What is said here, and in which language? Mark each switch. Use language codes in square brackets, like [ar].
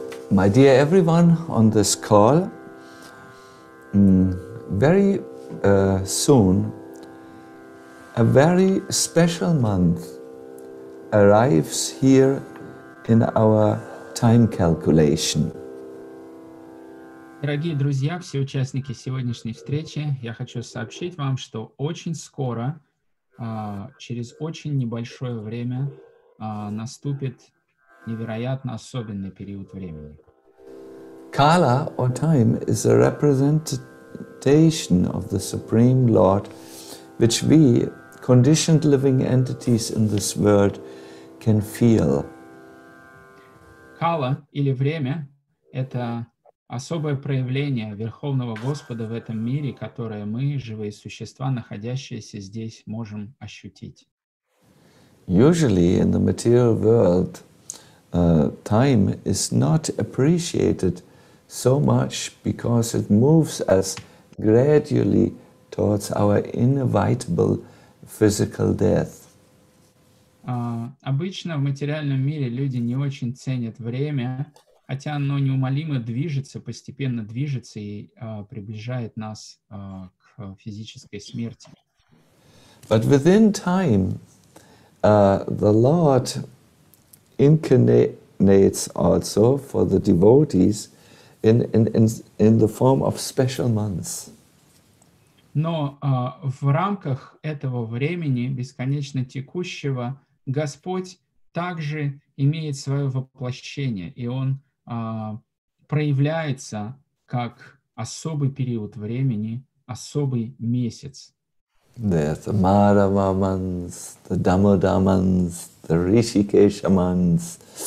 [en] My dear everyone on this call, very soon a very special month arrives here in our time calculation. [ru] Дорогие друзья, все участники сегодняшней встречи, я хочу сообщить вам, что очень скоро, через очень небольшое время, наступит невероятно особенный период времени. [en] Kala or time is a representation of the Supreme Lord, which we, conditioned living entities in this world, can feel. [ru] Kala или время — это особое проявление Верховного Господа в этом мире, которое мы, живые существа, находящиеся здесь, можем ощутить. [en] Usually in the material world, time is not appreciated so much because it moves us gradually towards our inevitable physical death. [ru] Обычно в материальном мире люди не очень ценят время, хотя оно неумолимо движется, постепенно движется и приближает нас к физической смерти. [en] But within time, the Lord incarnates also for the devotees in the form of special months. [ru] Но в рамках этого времени, бесконечно текущего, Господь также имеет свое воплощение, и Он проявляется как особый период времени, особый месяц. [en] There's the Madhava months, the Damodar months, the Rishikesha months.